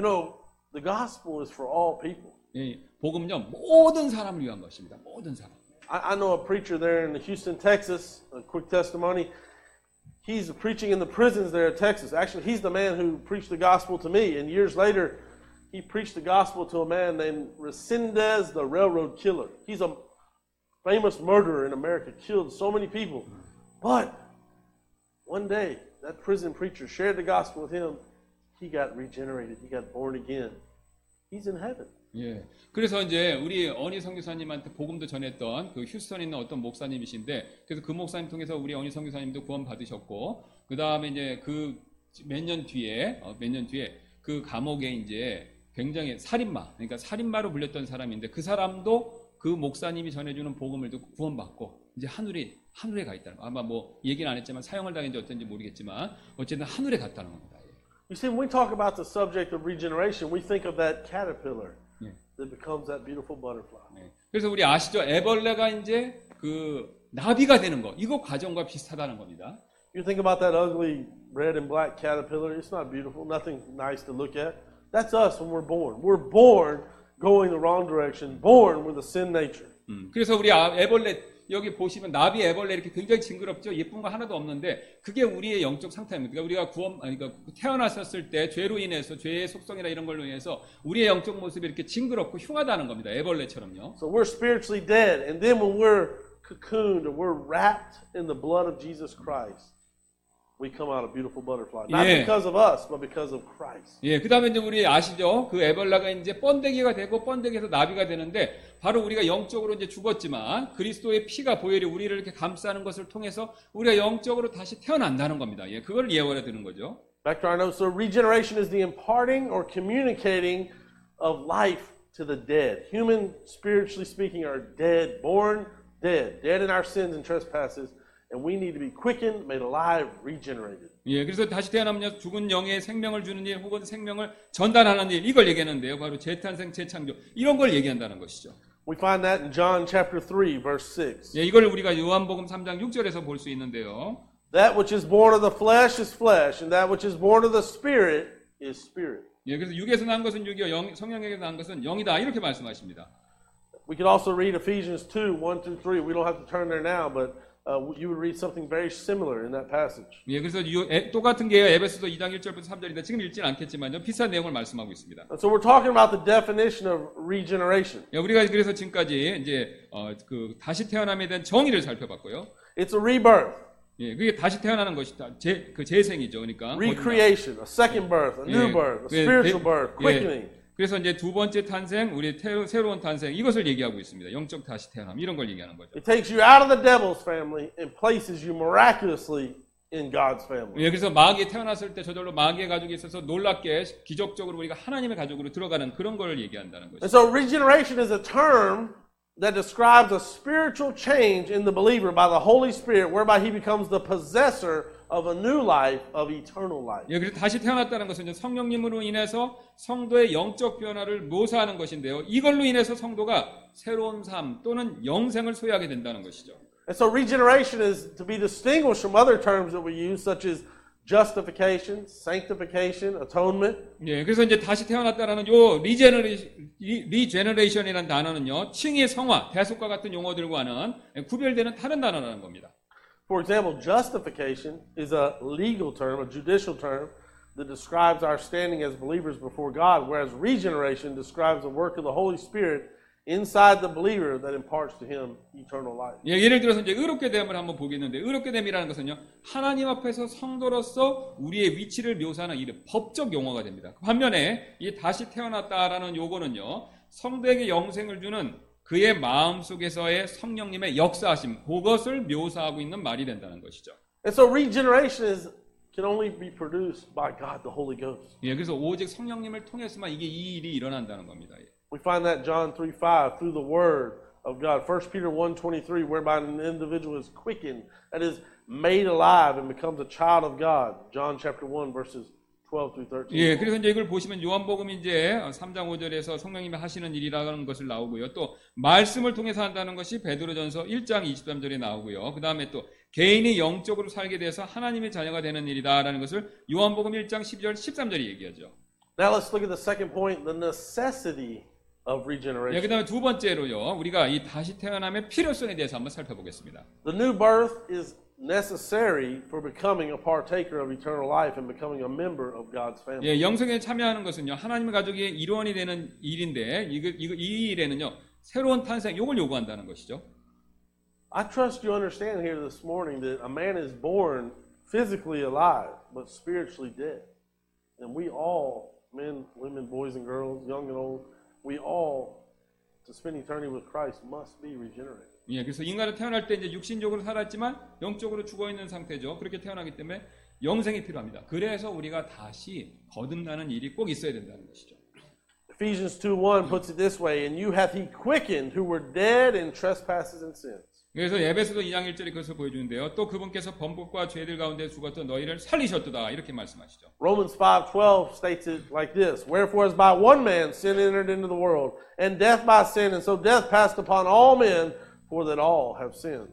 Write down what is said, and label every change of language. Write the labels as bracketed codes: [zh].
[en] You know, the gospel is for all people. [ko] 예, 복음은 모든 사람을 위한 것입니다. 모든 사람. [en] I know a preacher there in Houston, Texas, a quick testimony. He's preaching in the prisons there in Texas. Actually, he's the man who preached the gospel to me, and years later, He preached the gospel to a man named Resendez, the railroad killer. He's a famous murderer in America killed so many people. But one day, that prison preacher shared the gospel with him. He got regenerated. He got born again. He's in heaven. [ko] 예, 그래서 이제 우리 어니 선교사님한테 복음도 전했던 그 휴스턴에 있는 어떤 목사님이신데, 그래서 그 목사님 통해서 우리 어니 선교사님도 구원 받으셨고, 그 다음에 이제 그 몇 년 뒤에 그 감옥에 이제 굉장히 살인마, 그러니까 살인마로 불렸던 사람인데, 그 사람도 그 목사님이 전해주는 복음을 듣고 구원 받고 이제 하늘에 가 있다는 거. 아마 뭐 얘기는 안 했지만 사형을 당했는지 어떤지 모르겠지만 어쨌든 하늘에 갔다는 겁니다. [en] You see, when we talk about the subject of regeneration, we think of that caterpillar. That becomes that beautiful butterfly. [ko] 네. 그래서 우리 아시죠? 애벌레가 이제 그 나비가 되는 거. 이거 과정과 비슷하다는 겁니다. [en] You think about that ugly red and black caterpillar. It's not beautiful. Nothing nice to look at. That's us when we're born. We're born going the wrong direction. Born with a sin nature. [ko] 그래서 우리 애벌레 여기 보시면 나비 애벌레 이렇게 굉장히 징그럽죠. 예쁜 거 하나도 없는데 그게 우리의 영적 상태입니다. 그러니까 우리가 구원 아니 그러니까 태어났었을 때 죄로 인해서 죄의 속성이나 이런 걸로 인해서 우리의 영적 모습이 이렇게 징그럽고 흉하다는 겁니다. 애벌레처럼요. [en] So we're spiritually dead and then when we're cocooned or we're wrapped in the blood of Jesus Christ we come out a beautiful butterfly. Not because of us but because of Christ. [ko] 예. 그다음에 이제 우리 아시죠? 그 애벌레가 이제 번데기가 되고 번데기에서 나비가 되는데 바로 우리가 영적으로 이제 죽었지만 그리스도의 피가 보혈이 우리를 이렇게 감싸는 것을 통해서 우리가 영적으로 다시 태어난다는 겁니다. 예, 그걸 예언해 드는 거죠. [en] Back to our notes. So regeneration is the imparting or communicating of life to the dead. Human, spiritually speaking, are dead, born dead, dead in our sins and trespasses, and we need to be quickened, made alive, regenerated. [ko] 예, 그래서 다시 태어나면 죽은 영의 생명을 주는 일 혹은 생명을 전달하는 일 이걸 얘기하는데요. 바로 재탄생, 재창조 이런 걸 얘기한다는 것이죠. [en] We find that in John chapter 3 verse 6. [ko] 예, 이걸 우리가 요한복음 3장 6절에서 볼 수 있는데요. [en] That which is born of the flesh is flesh and that which is born of the spirit is spirit. [ko] 예, 그래서 육에서 난 것은 육이요 영, 성령에게서 난 것은 영이다. 이렇게 말씀하십니다. [en] We could also read Ephesians 2 1 through 3. We don't have to turn there now but you would read something very similar in that passage. [ko] 예, 그래서 똑같은 게요. 에베소서 2장 1절부터 3절인데 지금 읽지는 않겠지만요. 비슷한 내용을 말씀하고 있습니다. [en] So we're talking about the definition of regeneration. [ko] 예, 우리가 그래서 지금까지 이제 그 다시 태어남에 대한 정의를 살펴봤고요. [en] It's a rebirth. [ko] 예, 그게 다시 태어나는 것이다. 그 재생이죠. 그러니까 [en] recreation, a second birth, a new birth, a spiritual birth, quickening. [ko] 예, 그래서 이제 두 번째 탄생, 우리 새로운 탄생 이것을 얘기하고 있습니다. 영적 다시 태어남 이런 걸 얘기하는 거죠. [en] It takes you out of the devil's family and places you miraculously in God's family. [ko] 예, 그래서 마귀 태어났을 때 저절로 마귀의 가족이 있어서 놀랍게 기적적으로 우리가 하나님의 가족으로 들어가는 그런 걸 얘기한다는 거죠. [en] And so regeneration is a term that describes a spiritual change in the believer by the Holy Spirit whereby he becomes the possessor of a new life, of eternal life. [ko] 예, 그래서 다시 태어났다는 것은 이제 성령님으로 인해서 성도의 영적 변화를 묘사하는 것인데요. 이걸로 인해서 성도가 새로운 삶 또는 영생을 소유하게 된다는 것이죠. [en] And so regeneration is to be distinguished from other terms that we use, such as justification, sanctification, atonement. [ko] 예, 그래서 이제 다시 태어났다라는 요 regeneration이라는 단어는요, 칭의 성화, 대속과 같은 용어들과는 구별되는 다른 단어라는 겁니다. [en] For example, justification is a legal term, a judicial term that describes our standing as believers before God, whereas regeneration describes the work of the Holy Spirit inside the believer that imparts to him eternal life. [ko] 예, 예를 들어서 이제 의롭게 됨을 한번 보겠는데 의롭게 됨이라는 것은요. 하나님 앞에서 성도로서 우리의 위치를 묘사하는 이런 법적 용어가 됩니다. 반면에 이 다시 태어났다라는 요거는요. 성도에게 영생을 주는 그의 마음 속에서의 성령님의 역사하심 그것을 묘사하고 있는 말이 된다는 것이죠. [en] And so regeneration is can only be produced by God the Holy Ghost. [ko] 예, 그래서 오직 성령님을 통해서만 이게 이 일이 일어난다는 겁니다. 예. [en] We find that John 3:5 through the word of God. 1 Peter 1:23 whereby an individual is quickened that is made alive and becomes a child of God. John chapter 1 verses 12-13. [ko] 예, 그래서 이제 이걸 보시면 요한복음 이제 3장 5절에서 성령님이 하시는 일이라는 것을 나오고요. 또 말씀을 통해서 한다는 것이 베드로전서 1장 23절에 나오고요. 그 다음에 또 개인이 영적으로 살게 돼서 하나님의 자녀가 되는 일이다라는 것을 요한복음 1장 12절 13절이 얘기하죠. [en] Now let's look at the second point, the necessity of regeneration. [ko] 예, 그 다음에 두 번째로요. 우리가 이 다시 태어남의 필요성에 대해서 한번 살펴보겠습니다. [en] The new birth is necessary for becoming a partaker of eternal life and becoming a member of God's family. [ko] 예, 영생에 참여하는 것은요. 하나님의 가족의 일원이 되는 일인데 이 일에는요. 새로운 탄생 요걸 요구한다는 것이죠. [en] I trust you understand here this morning that a man is born physically alive, but spiritually dead. And we all, men, women, boys and girls, young and old, we all, to spend eternity with Christ, must be regenerated. [ko] 예, 그래서 인간은 태어날 때 이제 육신적으로 살았지만 영적으로 죽어 있는 상태죠. 그렇게 태어나기 때문에 영생이 필요합니다. 그래서 우리가 다시 거듭나는 일이 꼭 있어야 된다는 것이죠. [en] Ephesians 2:1 puts it this way, and you hath he quickened who were dead in trespasses and sins. [ko] 그래서 에베소서 2장 1절이 그것을 보여주는데요. 또 그분께서 범법과 죄들 가운데 죽었던 너희를 살리셨도다. 이렇게 말씀하시죠. [en] Romans 5:12 states it like this. Wherefore as by one man sin entered into the world, and death by sin, and so death passed upon all men, for that all have sinned.